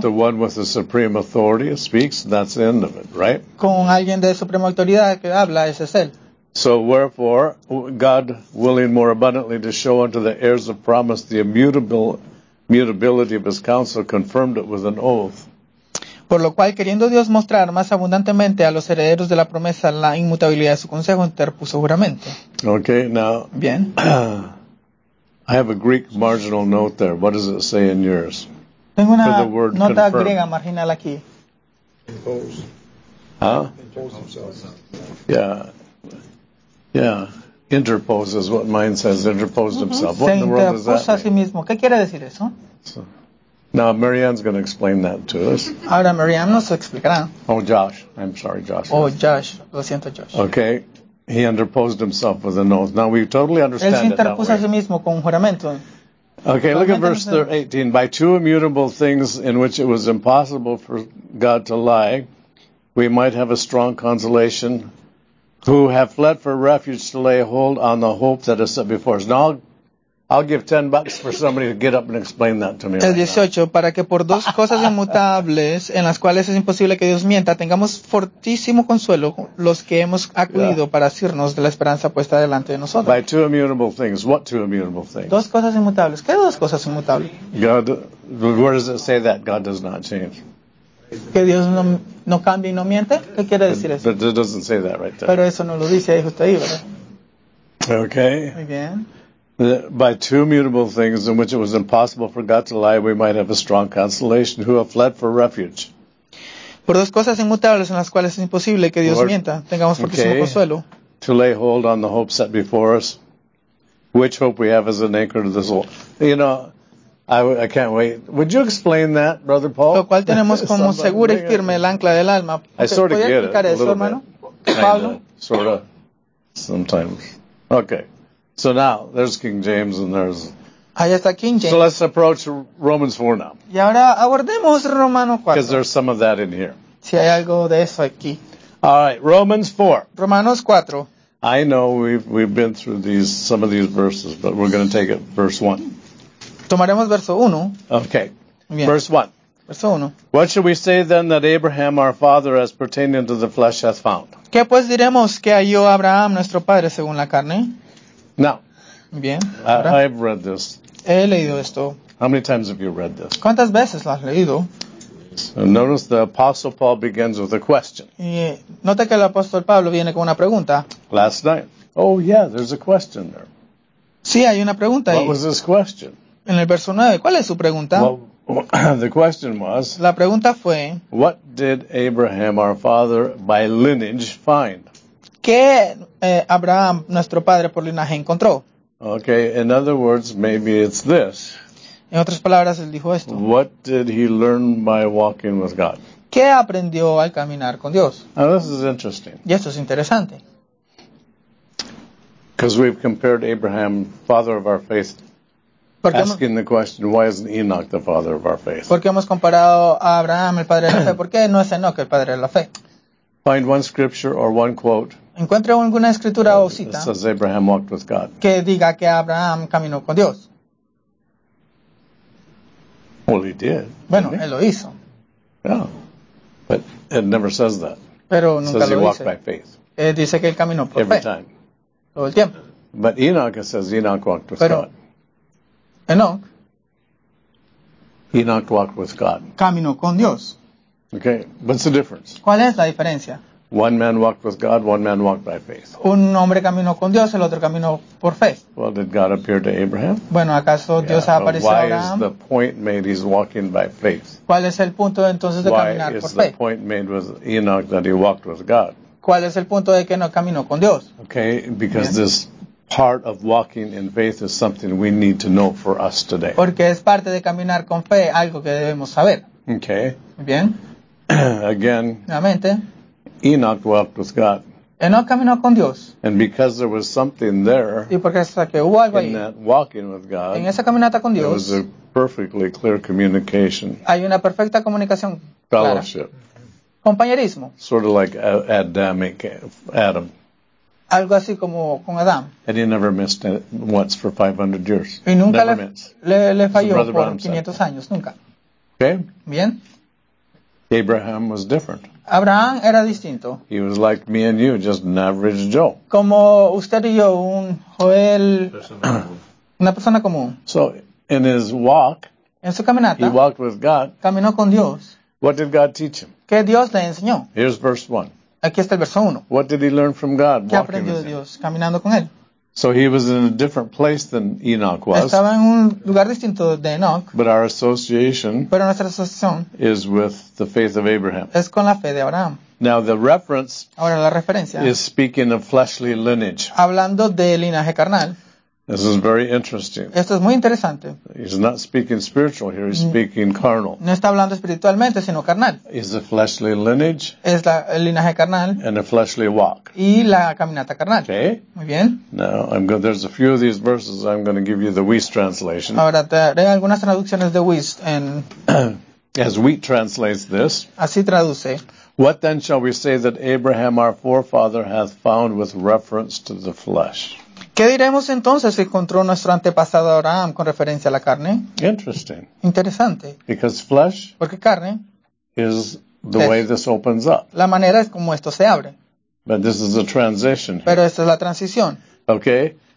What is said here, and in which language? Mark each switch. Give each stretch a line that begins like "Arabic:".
English: But the one with the supreme authority speaks, that's the end of it, right?
Spanish: Con alguien de suprema autoridad que habla, ese es él.
English: So wherefore, God willing more abundantly to show unto the heirs of promise the immutability of his counsel, confirmed it with an oath.
Spanish: Por lo cual, queriendo Dios mostrar más abundantemente a los herederos de la promesa la inmutabilidad de su consejo, interpuso juramento.
English: Okay, now,
Spanish: bien.
English: I have a Greek marginal note there. What does it say in yours?
Spanish: Tengo una nota confirm. Griega marginal aquí.
English: Impose. Huh? Impose himself. Yeah. Yeah, interpose is what mine says, interposed himself. What
Spanish: se
English: in the world is that?
Spanish: A sí mismo. ¿Qué quiere decir eso?
English: So, now, Marianne's going to explain that to us.
Spanish: Ahora, Marianne nos explicará.
English: Oh, Josh. I'm sorry, Josh.
Spanish: Oh, Josh. Lo siento, Josh.
English: Okay. He interposed himself with an oath. Now, we totally understand
Spanish: él se interpuso
English: it that way.
Spanish: A sí mismo con un juramento.
English: Okay, look at verse 18. By two immutable things in which it was impossible for God to lie, we might have a strong consolation... Who have fled for refuge to lay hold on the hope that is set before us. Now, I'll give $10 for somebody to get up and explain that to me.
Spanish: El 18,
English: right now.
Spanish: Para que por dos cosas inmutables en las cuales es imposible que Dios mienta, tengamos fortísimo consuelo los que hemos acudido
English: yeah.
Spanish: para asirnos de la esperanza puesta delante de nosotros.
English: By two immutable things. What two immutable things?
Spanish: Dos cosas inmutables. ¿Qué dos cosas inmutables?
English: God, where does it say that? God does not change.
Spanish: Que Dios no cambia y no miente, ¿qué quiere decir eso?
English: But it doesn't say that right there.
Spanish: Pero eso no lo dice ahí justo ahí, ¿verdad?
English: Okay.
Spanish: Muy bien.
English: By two mutable things in which it was impossible for God to lie, we might have a strong consolation who have fled for refuge.
Spanish: Por dos cosas inmutables en las cuales es imposible que Dios mienta, tengamos fortísimo consuelo.
English: To lay hold on the hope set before us, which hope we have as an anchor to the soul. You know, I can't wait. Would you explain that, Brother Paul?
Spanish: Lo cual tenemos como seguro y firme el ancla del alma.
English: I sort of get it, a little
Spanish: hermano?
English: Bit.
Spanish: Pablo?
English: Sort of. Sometimes. Okay. So now, there's King James and there's...
Spanish: Ahí está King James.
English: So let's approach Romans 4 now.
Spanish: Y ahora abordemos Romano 4.
English: Because there's some of that in here.
Spanish: Si hay algo de eso aquí.
English: All right, Romans 4.
Spanish: Romanos 4.
English: I know we've been through some of these verses, but we're going to take it verse 1.
Spanish: Tomaremos verso 1.
English: Okay.
Spanish: Bien.
English: Verse 1.
Spanish: Verso 1.
English: What shall we say then that Abraham our father as pertaining to the flesh hath found?
Spanish: ¿Qué pues diremos que halló Abraham nuestro padre según la carne?
English: Now.
Spanish: Bien.
English: I've read this.
Spanish: He leído esto.
English: How many times have you read this?
Spanish: ¿Cuántas veces lo has leído?
English: So notice the Apostle Paul begins with a question.
Spanish: Y nota que el apóstol Pablo viene con una pregunta.
English: Last night. Oh yeah, there's a question there.
Spanish: Sí, hay una pregunta ahí.
English: What was this question?
Spanish: En el verso 9, ¿cuál es su pregunta?
English: Well, the question was,
Spanish: la pregunta fue,
English: what did Abraham, our father, by lineage, find?
Spanish: ¿Qué Abraham, nuestro padre, por linaje, encontró?
English: Okay, in other words, maybe it's this.
Spanish: En otras palabras, él dijo esto.
English: What did he learn by walking with God?
Spanish: ¿Qué aprendió al caminar con Dios?
English: Now, this is interesting.
Spanish: Y esto es interesante.
English: Because we've compared Abraham, father of our faith, asking the question, why isn't Enoch the father of our faith?
Spanish: Porque hemos comparado a Abraham, el padre de la fe. ¿Por qué no es Enoch el padre de la fe?
English: Find one scripture or one quote.
Spanish: Encuentra alguna escritura o cita.
English: Says Abraham walked with God.
Spanish: Que diga que Abraham caminó con Dios.
English: Well, he did.
Spanish: Bueno, él lo hizo.
English: Yeah, but it never says that.
Spanish: Pero nunca
English: says
Spanish: lo
English: he walked
Spanish: dice.
English: By faith.
Spanish: Él dice que él caminó por
English: every
Spanish: fe.
English: Time.
Spanish: Todo el tiempo.
English: But Enoch, it says Enoch walked with
Spanish: Pero,
English: God.
Spanish: Enoch.
English: Enoch walked with God.
Spanish: Caminó con Dios.
English: Okay, what's the difference?
Spanish: ¿Cuál es la diferencia?
English: One man walked with God, one man walked by faith.
Spanish: Un hombre caminó con Dios, el otro caminó por fe.
English: Well, did God appear to Abraham?
Spanish: Bueno, ¿acaso Dios ha aparecido a Abraham?
English: Why is the point made he's walking by faith?
Spanish: ¿Cuál es el punto entonces de
English: Why
Spanish: caminar por fe?
English: Why is the point made with Enoch that he walked with God?
Spanish: ¿Cuál es el punto de que no caminó con Dios?
English: Okay, because
Spanish: Bien.
English: This part of walking in faith is something we need to know for us today.
Spanish: Porque es parte de caminar con fe, algo que debemos saber.
English: Okay.
Spanish: Bien.
English: Again.
Spanish: Nuevamente.
English: Enoch walked with God.
Spanish: Enoch caminó con Dios.
English: And because there was something there.
Spanish: Y porque hasta que hubo algo ahí.
English: In that walking with God.
Spanish: En esa caminata con Dios.
English: There was a perfectly clear communication.
Spanish: Hay una perfecta comunicación.
English: Fellowship.
Spanish: Clara. Compañerismo.
English: Sort of like Adamic Adam.
Spanish: Algo así como con Adam.
English: And he never missed it once for 500 years.
Spanish: Y nunca
English: never
Spanish: le falló por 500 años, nunca.
English: Okay.
Spanish: Bien.
English: Abraham was different.
Spanish: Abraham era distinto.
English: He was like me and you, just an average Joe.
Spanish: Como usted y yo, un Joel, una persona común.
English: So, in his walk,
Spanish: en su caminata,
English: he walked with God.
Spanish: Caminó con Dios.
English: What did God teach him?
Spanish: ¿Qué Dios le enseñó?
English: Here's verse 1.
Spanish: Aquí está el verso 1.
English: What did he learn from God?
Spanish: ¿Qué aprendió Dios caminando con él?
English: So he was in a different place than Enoch was.
Spanish: Estaba en un lugar distinto de Enoch.
English: But our association
Spanish: pero nuestra asociación
English: is with the faith of Abraham.
Spanish: Es con la fe de Abraham.
English: Now the reference
Spanish: Ahora, la referencia
English: is speaking of fleshly lineage.
Spanish: Hablando de linaje carnal.
English: This is very interesting.
Spanish: Esto es muy interesante.
English: He's not speaking spiritual here, he's speaking carnal.
Spanish: No está hablando espiritualmente, sino carnal.
English: Is a fleshly lineage.
Spanish: Es la, el linaje carnal.
English: And a fleshly walk.
Spanish: Y la caminata carnal.
English: Okay.
Spanish: Muy bien.
English: Now, there's a few of these verses I'm going to give you the Weiss translation.
Spanish: Ahora te haré algunas traducciones de Weiss en
English: as Wheat translates this.
Spanish: Así traduce.
English: What then shall we say that Abraham our forefather hath found with reference to the flesh?
Spanish: ¿Qué diremos entonces que encontró nuestro antepasado Abraham con referencia a la carne?
English: Interesting.
Spanish: Interesante.
English: Because flesh
Spanish: Porque carne
English: is the way this opens up.
Spanish: La manera es como esto se abre.
English: But this is a transition.
Spanish: Pero esta es la transición.
English: Okay.